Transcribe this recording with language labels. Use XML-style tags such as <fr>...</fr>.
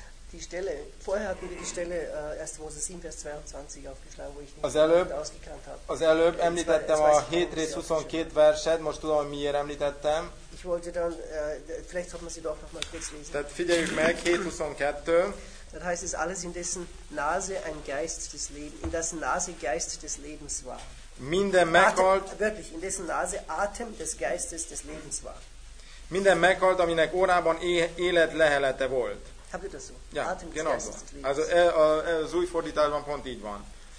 <de>Die Stelle, vorher hatten wir die Stelle 1. Mose 7, Vers 22 aufgeschlagen, wo ich nicht ausgekannt habe.</de> <hu>Az előbb említettem a 7:22 verset, most tudom, miért említettem.</hu> <de>Ich wollte dann, vielleicht sollten wir sie doch nochmal kurz lesen.</de> <hu>Tehát figyeljük meg, 7:22.</hu> <de>Das heißt, es ist alles in dessen Nase ein Geist des Lebens, in dessen Nase Geist des Lebens war.</de> <hu>Minden meghalt.</hu> <de>Wirklich, in dessen Nase Atem des Geistes des Lebens war.</de> <hu>Minden meghalt, aminek órában élet lehelete volt.</hu> <de>Ja, genau.</de> <hu>Also az új fordításban pont így van.</hu>